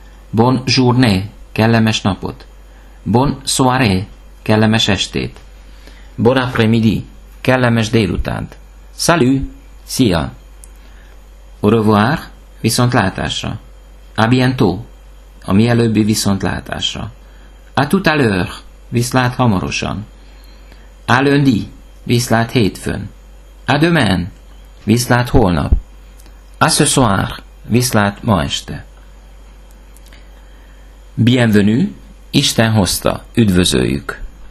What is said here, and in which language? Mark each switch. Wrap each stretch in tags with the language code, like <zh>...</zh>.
<fr>Bonne journée,</fr> <hu>kellemes napot.</hu> <fr>Bonne soirée,</fr> <hu>kellemes estét.</hu> <fr>Bon après-midi,</fr> <hu>kellemes délutánt.</hu> <fr>Salut,</fr> <hu>szia.</hu> <fr>Au revoir,</fr> <hu>viszontlátásra.</hu> <fr>A bientôt,</fr> <hu>a mielőbbi viszontlátásra.</hu> <fr>A tout à l'heure,</fr> <hu>viszlát hamarosan.</hu> <fr>À lundi,</fr> <hu>viszlát hétfőn.</hu> <fr>À demain,</fr> <hu>viszlát holnap.</hu> <fr>À ce soir,</fr> <hu>viszlát ma este.</hu> <fr>Bienvenue,</fr> <hu>Isten hozta, üdvözöljük.</hu>